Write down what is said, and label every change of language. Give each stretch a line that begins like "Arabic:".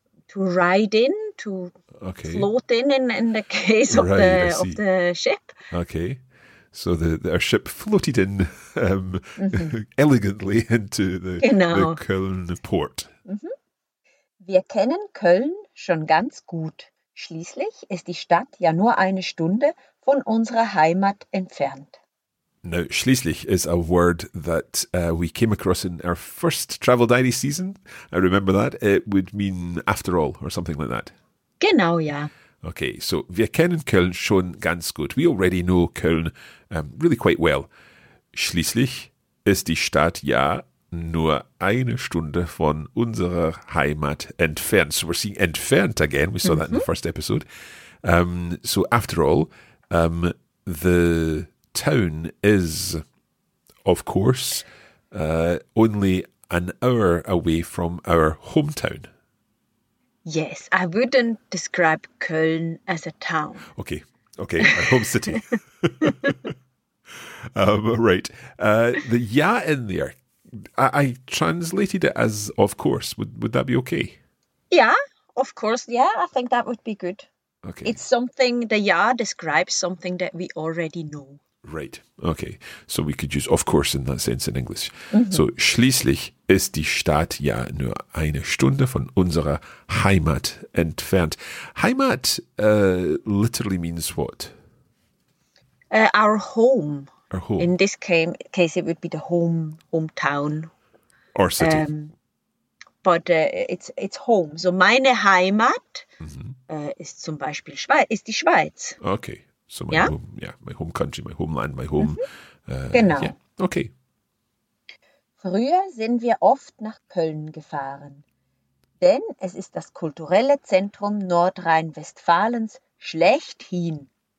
English: To ride in, to okay. float in the case of right, of the ship. Okay, so the our ship floated in elegantly into the, the Köln port.
German: Wir kennen Köln schon ganz gut. Schließlich ist die Stadt ja nur eine Stunde von unserer Heimat entfernt.
English: Now, schließlich is a word that we came across in our first travel diary season. I remember that. It would mean after all or something like that.
German: Genau, ja.
English: Okay, so
German: wir kennen Köln schon ganz gut.
English: We already know Köln really quite well.
German: Schließlich ist die Stadt ja nur eine Stunde von unserer Heimat entfernt.
English: So we're seeing entfernt again. We saw that in the first episode. So after all, the town is, of course, only an hour away from our hometown. Yes, I wouldn't describe Köln as a town. Okay, okay, our home city. right, the ja in there, I translated it as of course. Would that be okay? Yeah, of course, yeah, I think that would be good. Okay. It's something, the ja describes something that we already know. Right. Okay. So we could use of course in that sense in English.
German: So schließlich ist die Stadt ja nur eine Stunde von unserer Heimat entfernt.
English: Heimat literally means what? Our home. Our home. In this case it would be the hometown or city. But it's home.
German: So meine Heimat ist zum Beispiel ist die Schweiz.
English: Okay. So my home, yeah, my home country, my homeland, my home.
German: Genau.
English: Yeah. Okay.
German: Früher sind wir oft nach Köln gefahren, denn es ist das kulturelle Zentrum Nordrhein-Westfalens schlechthin.